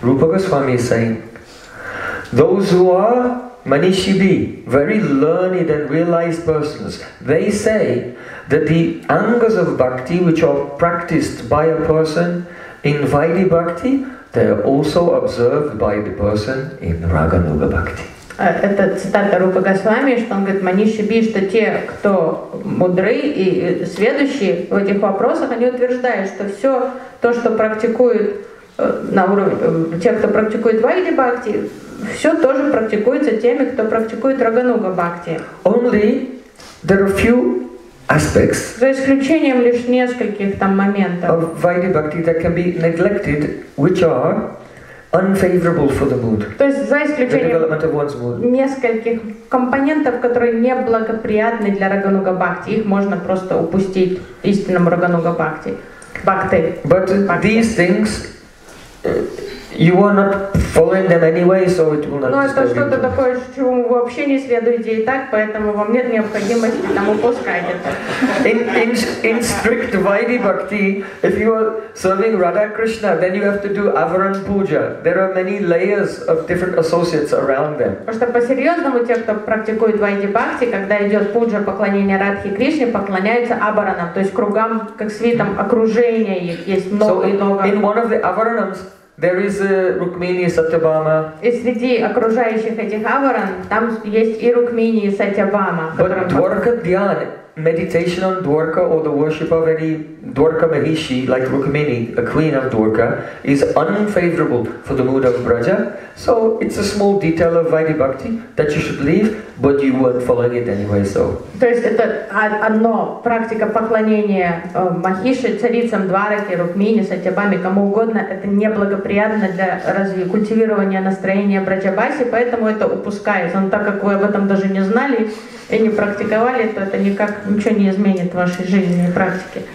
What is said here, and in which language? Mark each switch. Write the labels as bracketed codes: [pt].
[en] Rupa Goswami is saying, those who are Manishibhi, very learned and realized persons, they say that the angas of bhakti which are practiced by a person in Vaidhi Bhakti, they are also observed by the person in Raganuga Bhakti. [ru] Это цитата Рупы Госвами, что он говорит, манишиби, что те, кто мудры и сведущие в этих вопросах, они утверждают, что все то, что практикуют на уровне, те, кто практикует Vaidhi Bhakti, все тоже практикуется теми, кто практикует Рагануга Бхакти. [en] Only there are few aspects. [ru] За исключением лишь нескольких там моментов. [en] Of Vaidhi Bhakti that can be neglected, which are unfavorable for the mood. [ru] То есть за исключением нескольких компонентов, которые неблагоприятны для Рагануга Бхакти, их можно просто упустить истинному Рагануга Бхакти. [en] But these things You are not following them anyway, so it will not. [ru] Ну это что-то такое, чему вы вообще не следуете и так, поэтому вам нет необходимости там упускать это. [en] In strict Vaidhi-Bhakti, if you are serving Radha Krishna, then you have to do Avaran Puja. There are many layers of different associates around them. [ru] Потому что по-серьезному те, кто практикует Vaidhi-Bhakti, когда идет пуджа поклонение Радхи Кришне, поклоняются Аваранам, то есть кругам, как свитам окружения их есть много и много. [en] So in one of the Avaranams. There is a Rukmini Satyabhama. [ru] И среди окружающих этих аваран там есть и Рукмини Сатьябама. [en] But Dwarka Dhyan, meditation on Dwarka or the worship of any Dwarka Mahishi, like Rukmini, a queen of Dwarka, is unfavorable for the mood of Braja. So it's a small detail of Vaidhi Bhakti that you should leave, but you weren't following it anyway, so. [ru] То есть это одно, практика поклонения Махиши, царицам Двараки, Рукмини, Сатьябами, кому угодно, это неблагоприятно для разве культивирования настроения Браджабаси, поэтому это упускается. Но так как вы об этом даже не знали и не практиковали, то это никак ничего не изменит в вашей жизни и практике.